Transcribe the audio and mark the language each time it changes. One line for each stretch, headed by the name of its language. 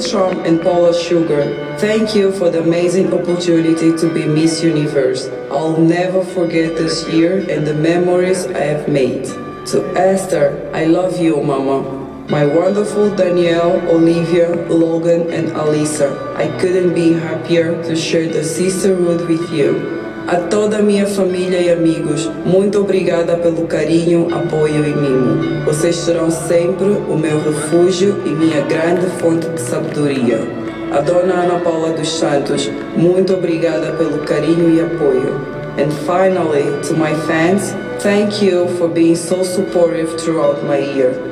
English: Trump and Paula Sugar, thank you for the amazing opportunity to be Miss Universe. I'll never forget this year and the memories I have made. To Esther, I love you, Mama. My wonderful Danielle, Olivia, Logan, and Alyssa, I couldn't be happier to share the sisterhood with you.
Portuguese: A toda minha família e amigos, muito obrigada pelo carinho, apoio e mimo. Vocês serão sempre o meu refúgio e minha grande fonte de sabedoria. A dona Ana Paula dos Santos, muito obrigada pelo carinho e apoio.
English: And finally, to my fans, thank you for being so supportive throughout my year.